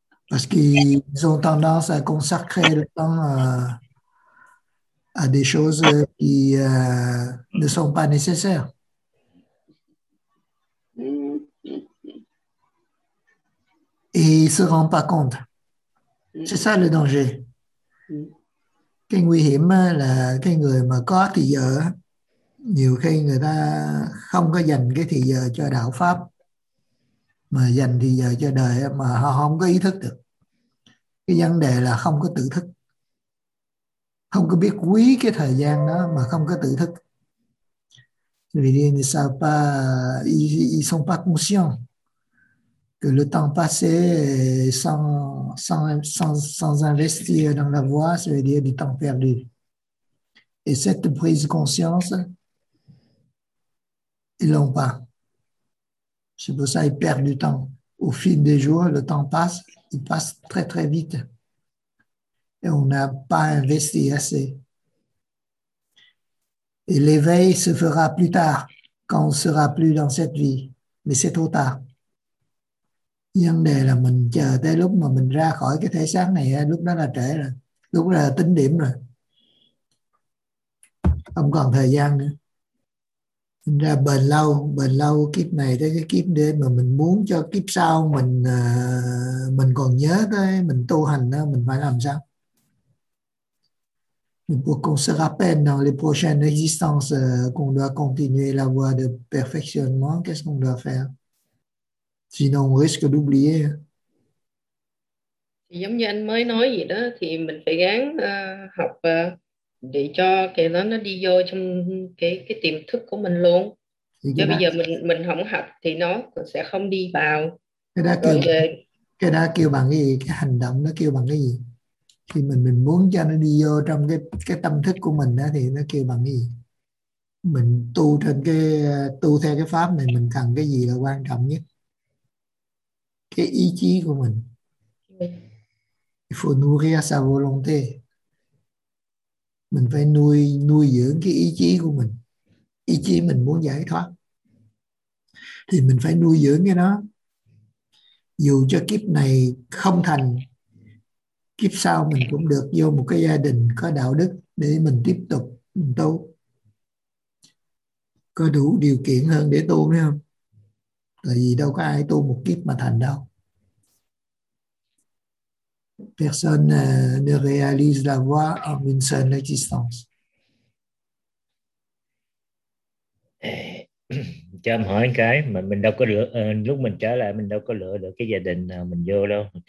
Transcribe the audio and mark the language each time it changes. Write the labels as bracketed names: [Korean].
[French] Parce qu'ils ont tendance à consacrer le temps à des choses qui ne sont pas nécessaires. Et il ne se rend pas compte. C'est ça le danger. [Vietnamese] Cái nguy hiểm là cái người mà có thì giờ, nhiều khi người ta không có dành cái thì giờ cho đạo pháp, mà dành thì giờ cho đời mà họ không có ý thức được. Cái vấn đề là không có tự thức. Không có biết quý cái thời gian đó mà không có tự thức. [French] Vì ils ne savent pas, ils sont pas conscients que le temps passé sans investir dans la voie, ça veut dire du temps perdu. Et cette prise de conscience, ils ne l'ont pas. C'est pour ça qu'ils perdent du temps. Au fil des jours, le temps passe, il passe très très vite. Et on n'a pas investi assez. Et l'éveil se fera plus tard, quand on ne sera plus dans cette vie. Mais c'est trop tard. [Vietnamese] Vấn đề là mình chờ tới lúc mà mình ra khỏi cái thể xác này, lúc đó là trễ rồi, lúc đó là tính điểm rồi, không còn thời gian nữa. Mình ra bền lâu kiếp này tới cái kiếp đến mà mình muốn cho kiếp sau mình còn nhớ tới, mình tu hành đó, mình phải làm sao? [French] Mais pour qu'on se rappelle dans les prochaines existences qu'on doit continuer la voie de perfectionnement, qu'est-ce qu'on doit faire? Sinon, on risque d'oublier. [Vietnamese] Giống như anh mới nói vậy đó, thì mình phải gắng học để cho cái đó nó đi vô trong cái tiềm thức của mình luôn. Chứ bây giờ mình không học thì nó sẽ không đi vào. Cái đó kêu bằng cái gì? Cái hành động nó kêu bằng cái gì? Khi mình muốn cho nó đi vô trong cái tâm thức của mình đó, thì nó kêu bằng cái gì? Mình tu trên cái tu theo cái pháp này, mình cần cái gì là quan trọng nhất? Cái ý chí của mình. [French] Il faut nourrir sa volonté. [Vietnamese] Mình phải nuôi dưỡng cái ý chí của mình. Ý chí mình muốn giải thoát thì mình phải nuôi dưỡng cái nó. Dù cho kiếp này không thành, kiếp sau mình cũng được vô một cái gia đình có đạo đức để mình tiếp tục tu, có đủ điều kiện hơn để tu nữa không? Tại vì đâu có ai tu một kiếp mà thành đâu. [French] Personne ne réalise la voie en une seule existence. [Vietnamese] Cho em hỏi cái mà mình đâu có lựa, lúc mình trở lại mình đâu có lựa được cái gia đình nào mình vô đâu.